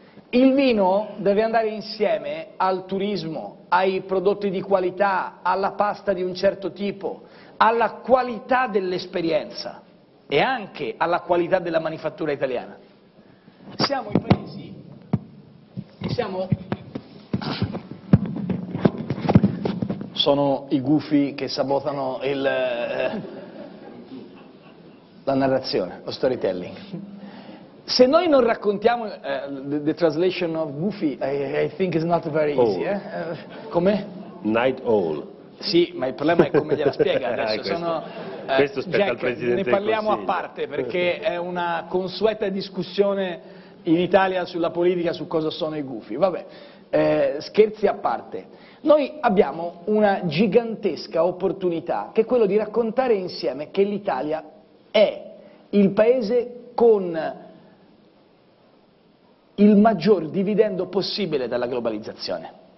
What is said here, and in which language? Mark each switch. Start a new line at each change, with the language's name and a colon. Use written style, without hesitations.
Italian: Il vino deve andare insieme al turismo, ai prodotti di qualità, alla pasta di un certo tipo, alla qualità dell'esperienza e anche alla qualità della manifattura italiana. Siamo i paesi, siamo sono i gufi che sabotano il la narrazione, lo storytelling. Se noi non raccontiamo
English: the translation of goofy, I think it's not very easy.
Italian: Eh? Come?
English: Night owl.
Italian: Sì, ma il problema è come gliela spiega adesso. Questo spetta Jack, al Presidente. Ne parliamo a parte, perché è una consueta discussione in Italia sulla politica, su cosa sono i gufi. Vabbè, scherzi a parte. Noi abbiamo una gigantesca opportunità, che è quello di raccontare insieme che l'Italia è il paese con il maggior dividendo possibile dalla globalizzazione.